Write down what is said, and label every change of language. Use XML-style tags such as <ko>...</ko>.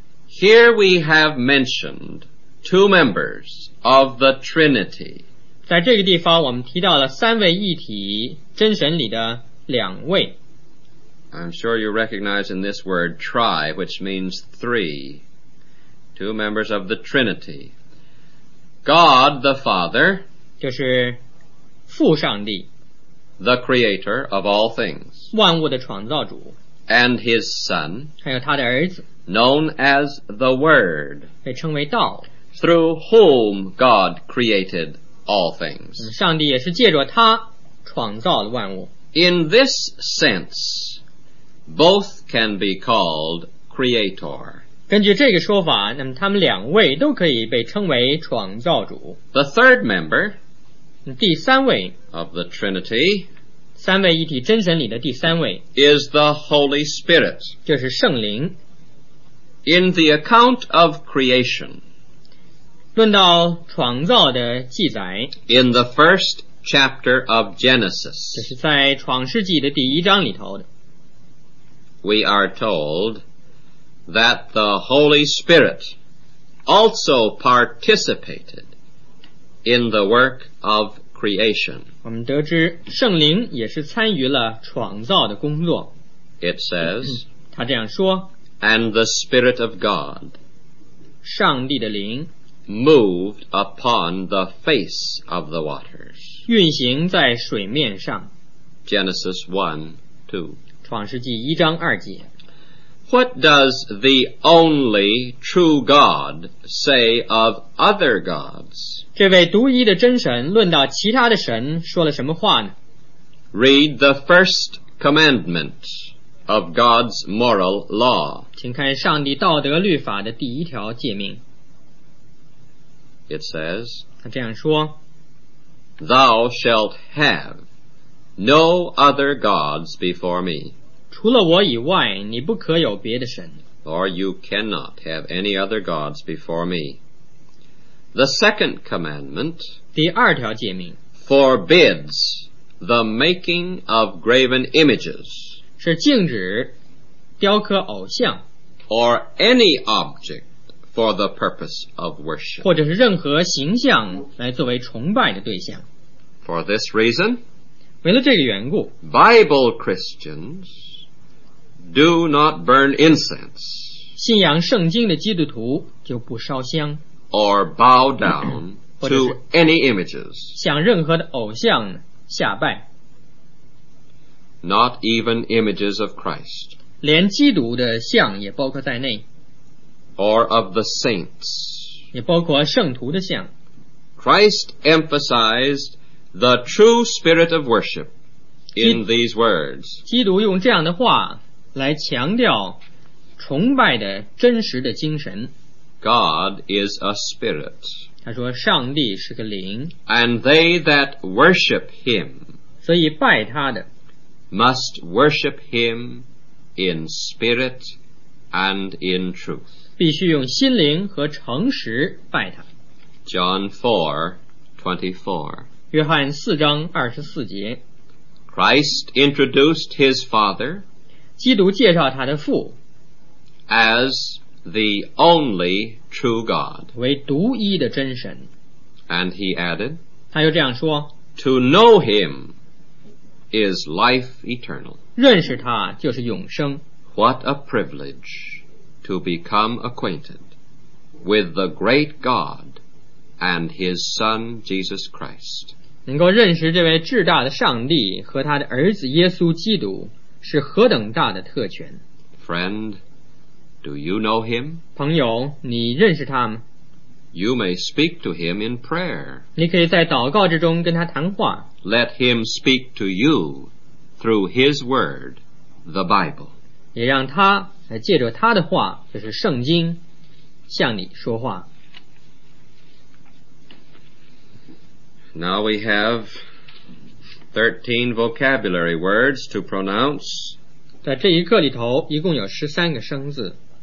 <en>Here we have mentioned two members of the Trinity,</en> <zh>在这个地方我们提到了三位一体真神里的两位。</zh> <en>I'm sure you recognize in this word tri, which means three, two members of the Trinity. God the Father,</en> <zh>就是父上帝。</zh> <en>The creator of all things,</en> <zh>万物的创造主。</zh> <en>And his son,</en> <zh>还有他的儿子。</zh> <en>Known as the Word,</en> <zh>被称为道。</zh> <en>Through whom God created all things,</en> <zh>上帝也是借着他创造了万物。</zh> <en>In this sense, both can be called creator.</en> <zh>根据这个说法，那么他们两位都可以被称为创造主。</zh> <en>The third member,</en> <zh>第三位</zh> <en>of the Trinity,</en> <zh>三位一体真神里的第三位</zh> <en>is the Holy Spirit,</en> <zh>就是圣灵。</zh> <en>In the account of creation,</en> <zh>论到创造的记载</zh> <en>in the first chapter of Genesis,</en> <zh>就是在创世纪的第一章里头的</zh> <en>we are told that the Holy Spirit also participated in the work of creation.</en> <zh>我们得知圣灵也是参与了创造的工作。</zh> <en>It says,</en> <zh>他这样说,</zh> <en>and the Spirit of God,</en> <zh>上帝的灵,</zh> <en>moved upon the face of the waters,</en> <zh>运行在水面上。</zh> <en>Genesis 1, 2,</en> <zh>创世纪一章二节。</zh> <en>What does the only true God say of other gods?</en> <zh>这位独一的真神论到其他的神说了什么话呢</zh> <en>Read the first commandment of God's moral law.</en> <zh>请看上帝道德律法的第一条诫命。</zh> <en>It says,</en> <zh>他这样说,</zh> <en>Thou shalt have no other gods before me.</en> <zh>除了我以外你不可有别的神。</zh> <en>Or you cannot have any other gods before me. The second commandment,</en> <zh>第二条诫命,</zh> <en>forbids the making of graven images,</en> <zh>是禁止雕刻偶像,</zh> <en>or any object for the purpose of worship,</en> <zh>或者是任何形象来作为崇拜的对象。</zh> <en>For this reason,</en> <zh>为了这个缘故,</zh> <en>Bible Christians do not burn incense,</en> <zh>信仰圣经的基督徒就不烧香。</zh> <en>Or bow down to any images.</en> <zh>向任何的偶像下拜。</zh> <en>Not even images of Christ.</en> <zh>连基督的像也包括在内。</zh> <en>Or of the saints.</en> <zh>也包括圣徒的像。</zh> <en>Christ emphasized the true spirit of worship in these words.</en> <zh>基督用这样的话来强调崇拜的真实的精神。</zh> <en>God is a spirit.</en> <zh>他说上帝是个灵。</zh> <en>And they that worship him,</en> <zh>所以拜他的,</zh> <en>must worship him in spirit and in truth.</en> <zh>必须用心灵和诚实拜他。</zh> <en>John 4:24.</en> <zh>约翰四章二十四节。</zh> <en>Christ introduced his father,</en> <zh>基督介绍他的父,</zh> <en>as the only true God,</en> <zh>为独一的真神。</zh> <en>And he added,</en> <zh>他又这样说,</zh> <en>to know him is life eternal.</en> <zh>认识他就是永生。</zh> <en>What a privilege to become acquainted with the great God and His Son Jesus Christ.</en> <zh>能够认识这位至大的上帝和他的儿子耶稣基督是何等大的特权。</zh> <en>Friend, do you know Him?</en> <zh>朋友，你认识他吗？</zh> <en>You may speak to him in prayer.</en> <zh>你可以在祷告之中跟他谈话。</zh> <en>Let him speak to you through his word, the Bible.</en> <zh>也让他借着他的话，就是圣经，向你说话。</zh> <en>Now we have 13 vocabulary words to pronounce.</en> <zh>在这一课里头，一共有13个生字。</zh>